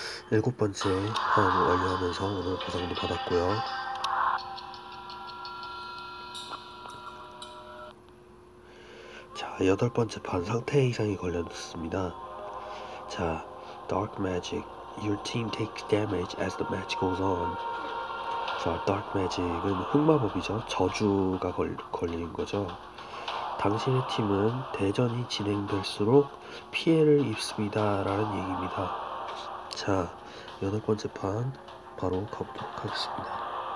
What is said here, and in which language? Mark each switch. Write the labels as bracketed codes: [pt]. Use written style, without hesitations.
[ko] 일곱 번째 한 완료하면서 오늘 보상도 받았고요. 자, 여덟 번째 판 상태 이상이 걸려졌습니다. [en] 자, Dark Magic, your team takes damage as the match goes on. [ko] 자, Dark Magic은 흑마법이죠. 저주가 걸리는 거죠. 당신의 팀은 대전이 진행될수록 피해를 입습니다 라는 얘기입니다. 자, 여덟 번째 판 바로 가보도록 하겠습니다.